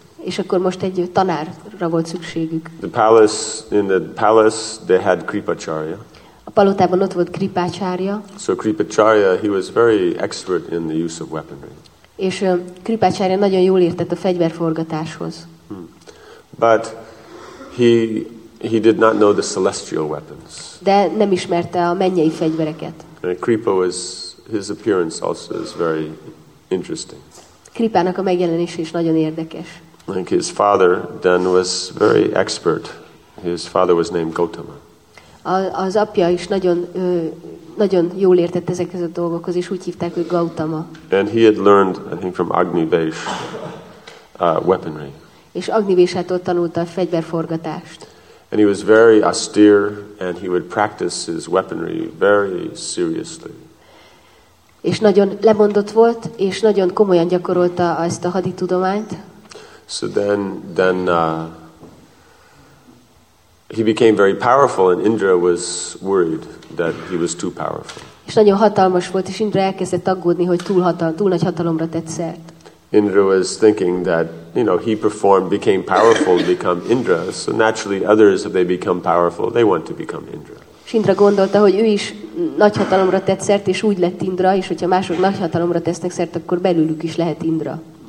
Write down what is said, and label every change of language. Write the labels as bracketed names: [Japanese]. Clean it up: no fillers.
[Hungarian] És akkor most egy tanárra volt szükségük. [English] In the palace they had Kripacharya. [Hungarian] A palotában ott volt Kripacharya. [English] So Kripacharya, he was very expert in the use of weaponry. [Hungarian] És Kripacharya nagyon jól értett a fegyverforgatáshoz. [English] But he did not know the celestial weapons. [Hungarian] De nem ismerte a mennyei fegyvereket. [English] Kripa was, his appearance also is very interesting. [Hungarian] Kripának a megjelenése is nagyon érdekes. [English] Like his father then was very expert. His father was named Gautama. [Hungarian] Az apja is nagyon jól értett ezekhez a dolgokhoz, és úgy hívták, hogy Gautama. [English] And he had learned, I think, from Agnivesh weaponry. [Hungarian] És Agnivéshától tanulta a fegyverforgatást. [English] And he was very austere, and he would practice his weaponry very seriously. [Hungarian] És nagyon lemondott volt, és nagyon komolyan gyakorolta ezt a haditudományt. [English] So then he became very powerful, and Indra was worried that he was too powerful. [Hungarian] És nagyon hatalmas volt, és Indra elkezdett aggódni, hogy túl nagy hatalomra tett szert. [English] Indra was thinking that, you know, he became powerful to become Indra. So naturally others, if they become powerful, they want to become Indra. [Hungarian] Indra gondolta, hogy ő is nagy hatalomra tett szert, és úgy lett Indra, és hogyha mások nagy hatalomra tesznek szert, akkor belülük is lehet Indra.